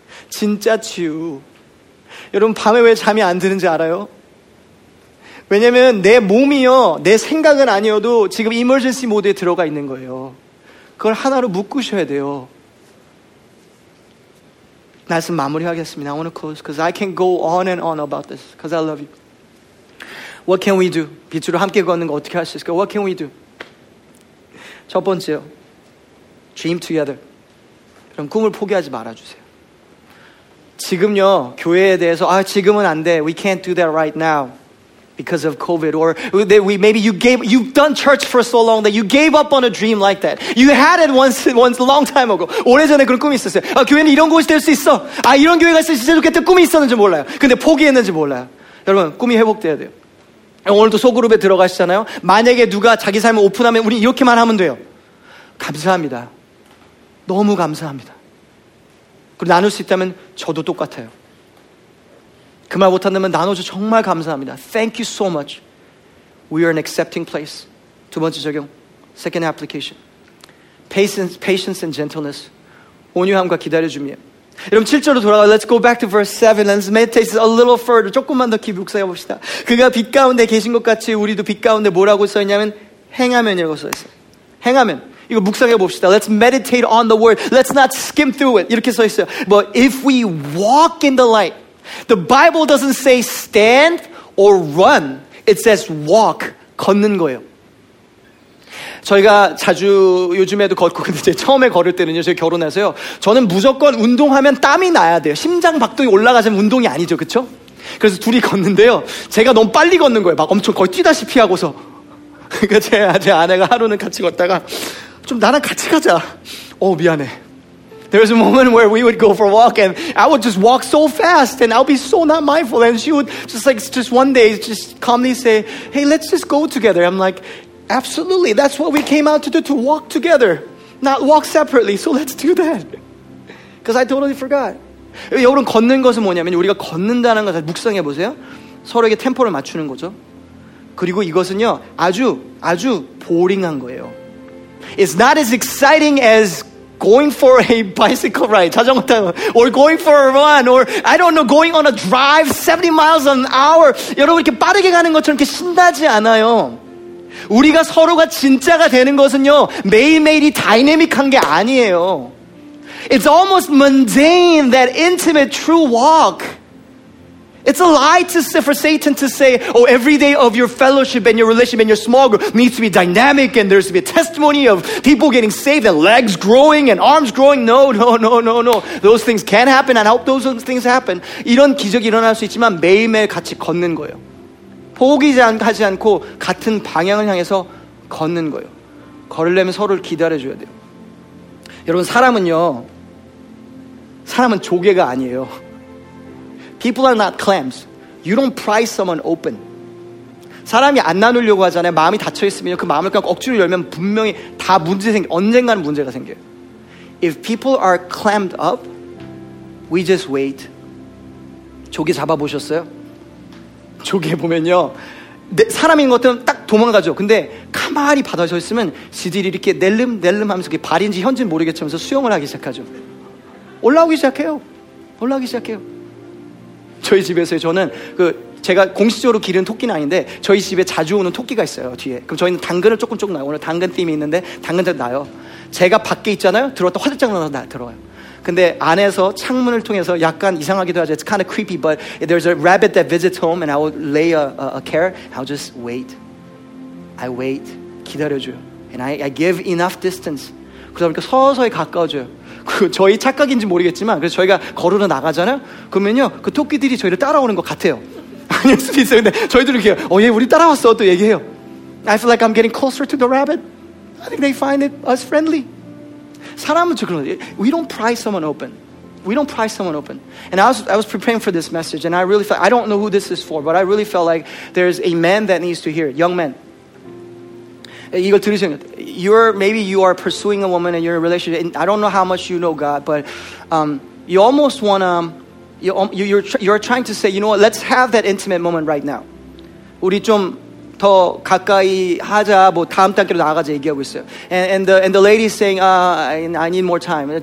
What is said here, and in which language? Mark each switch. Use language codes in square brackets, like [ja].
[ko] 진짜 치유. 여러분 밤에 왜 잠이 안 드는지 알아요? 왜냐면 내 몸이요 내 생각은 아니어도 지금 이머전시 모드에 들어가 있는 거예요. 그걸 하나로 묶으셔야 돼요. 나 지금 마무리하겠습니다. [en] I want to close because I can go on and on about this because I love you. What can we do? [ko] 빛으로 함께 걷는 거 어떻게 할 수 있을까요? [en] What can we do? [ko] 첫 번째요. [en] Dream together. [ko] 그럼 꿈을 포기하지 말아주세요. 지금요 교회에 대해서 아 지금은 안 돼. [en] We can't do that right now because of COVID. Or that we maybe you gave you've done church for so long that you gave up on a dream like that. You had it once a long time ago. [ko] 오래전에 그런 꿈이 있었어요. 아 교회는 이런 곳이 될 수 있어. 아 이런 교회가 있을 수 있어. 그때 꿈이 있었는지 몰라요. 근데 포기했는지 몰라요. 여러분 꿈이 회복돼야 돼요. 오늘도 소그룹에 들어가시잖아요. 만약에 누가 자기 삶을 오픈하면 우리 이렇게만 하면 돼요. 감사합니다. 너무 감사합니다. 그리고 나눌 수 있다면 저도 똑같아요. 그 말 못한다면 나눠줘 정말 감사합니다. [en] Thank you so much. We are an accepting place. [ko] 두 번째 적용. [en] Second application. Patience and gentleness. [ko] 온유함과 기다려줌이에요. 여러분 7절로 돌아가요. [en] Let's go back to verse 7. Let's meditate a little further. [ko] 조금만 더 깊이 묵상해봅시다. 그가 빛 가운데 계신 것 같이 우리도 빛 가운데 뭐라고 써있냐면 행하면이라고 써있어요. 행하면. 이거 묵상해봅시다. [en] Let's meditate on the word. Let's not skim through it. [ko] 이렇게 써있어요. [en] But if we walk in the light, the Bible doesn't say stand or run. It says walk. [ko] 걷는 거예요. 저희가 자주 요즘에도 걷고 근데 제 처음에 걸을 때는요. 제가 결혼해서요. 저는 무조건 운동하면 땀이 나야 돼요. 심장 박동이 올라가자면 운동이 아니죠. 그렇죠? 그래서 둘이 걷는데요. 제가 너무 빨리 걷는 거예요. 막 엄청 거의 뛰다시피 하고서. 그러니까 제 아내가 하루는 같이 걷다가 좀 나랑 같이 가자. 어 미안해. [en] There was a moment where we would go for a walk and I would just walk so fast and I'll be so not mindful and she would just one day just calmly say, "Hey, let's just go together." I'm like, "Absolutely. That's what we came out to do, to walk together, not walk separately. So let's do that." Because I totally forgot. [ko] 여러분 걷는 것은 뭐냐면 우리가 걷는다는 것을 묵상해 보세요. 서로에게 템포를 맞추는 거죠. 그리고 이것은요 아주 아주 보링한 거예요. [en] It's not as exciting as going for a bicycle ride, [ko] 자전거 타고, [en] or going for a run, or I don't know, going on a drive 70 miles an hour. [ko] 여러분 이렇게 빠르게 가는 것처럼 이렇게 신나지 않아요. 우리가 서로가 진짜가 되는 것은요 매일매일이 다이내믹한 게 아니에요. [en] It's almost mundane, that intimate true walk. It's a lie for Satan to say, oh, every day of your fellowship and your relationship and your small group needs to be dynamic and there's to be a testimony of people getting saved and legs growing and arms growing. No, no, no, no, no. Those things can happen and I hope those things happen. [ko] 이런 기적이 일어날 수 있지만 매일매일 같이 걷는 거예요. 포기하지 않고 같은 방향을 향해서 걷는 거예요. 걸으려면 서로를 기다려줘야 돼요. 여러분, 사람은 조개가 아니에요. [en] People are not clams. You don't pry someone open. [ko] 사람이 안 나누려고 하잖아요. 마음이 닫혀있으면 그 마음을 그냥 억지로 열면 분명히 다 문제 생겨. 언젠가는 문제가 생겨요. [en] If people are clammed up, we just wait. [ko] 조개 잡아보셨어요? 조개 보면요. 사람인 것처럼 딱 도망가죠. 근데 가만히 받아져있으면 지들이 이렇게 낼름낼름 하면서 그게 발인지 현지인지 모르겠지만서 수영을 하기 시작하죠. 올라오기 시작해요. 올라오기 시작해요. 저희 집에서요. 저는 제가 공식적으로 기른 토끼는 아닌데 저희 집에 자주 오는 토끼가 있어요. 뒤에. 그럼 저희는 당근을 조금 나요. 오늘 당근 팀이 있는데 당근도 나요. 제가 밖에 있잖아요. 들어왔다 화들짝 놀아서 들어와요. 근데 안에서 창문을 통해서 약간 이상하기도 하죠. [en] It's kind of creepy, but there's a rabbit that visits home and I will lay a care. I'll just wait. I wait. [ko] 기다려줘요. [en] And I give enough distance. [ko] 그러다 보니까 서서히 가까워져요. 저희 착각인지 모르겠지만 그래서 저희가 걸으러 나가잖아요. 그러면요 그 토끼들이 저희를 따라오는 것 같아요. 아닐 수도 있어요. 근데 저희들이 이렇게 얘 우리 따라왔어 또 얘기해요. [en] I feel like I'm getting closer to the rabbit. I think they find it us friendly. [ko] 사람은 저 그런 [en] We don't pry someone open. We don't pry someone open. And I was preparing for this message and I really felt I don't know who this is for but I really felt like there's a man that needs to hear it. Young man. [ko] 이걸 들으시는 것 같아요. [en] Maybe you are pursuing a woman and you're in a relationship. And I don't know how much you know God, but you almost want to, you're trying to say, you know what, let's have that intimate moment right now. [ko] 우리 좀 더 가까이 하자, 뭐 다음 단계로 나가자 얘기하고 있어요. [en] And the lady is saying, I need more time.